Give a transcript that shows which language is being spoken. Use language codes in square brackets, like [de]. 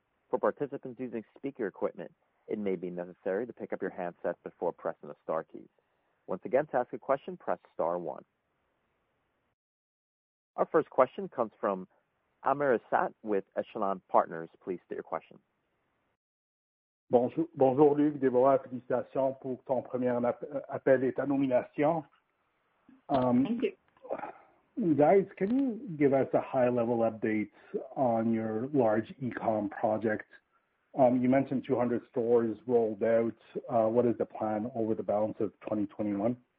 [en] For participants using speaker equipment, it may be necessary to pick up your handset before pressing the star keys. Once again, to ask a question, press star 1. Our first question comes from Amir Asat with Echelon Partners. Please state your question. [fr] Bonjour, Luc. Deborah, félicitations pour ton premier appel et ta nomination. [en] Thank you. Guys, can you give us a high-level update on your large e-com project? You mentioned 200 stores rolled out. What is the plan over the balance of 2021?